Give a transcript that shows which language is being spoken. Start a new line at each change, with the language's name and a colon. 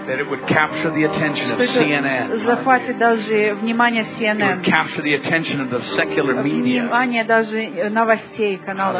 English: That it would capture the attention of CNN.
Russian: Захватит даже внимание CNN.
English: It would capture the attention of the secular media.
Russian: Внимание даже новостей каналов.